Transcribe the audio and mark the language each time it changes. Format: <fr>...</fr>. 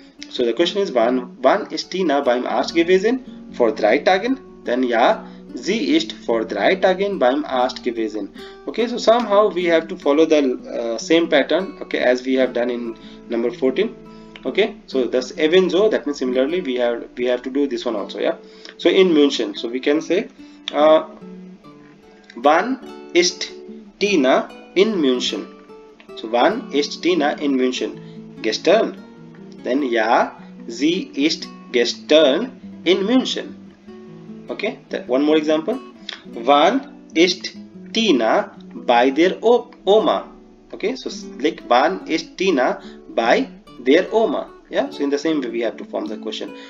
<en>So the question is</en> <de>wann ist Tina beim Arzt gewesen? Vor drei Tagen. Then ja, sie ist vor drei Tagen beim Arzt gewesen.</de> <en>Okay, so somehow we have to follow the same pattern, okay, as we have done in number 14. Okay, so thus even so, that means similarly we have to do this one also. Yeah, so in München, so we can say</en> <de>wann ist Tina in München? So wann ist Tina in München? Gestern.</de> <en>Then</en> <de>ja, sie ist gestern in München.</de> <en>Okay, then one more example.</en> <de>Wann ist Tina bei der Oma? Okay, so like wann ist Tina bei der Oma?</de> <en>Yeah, so in the same way we have to form the question.</en>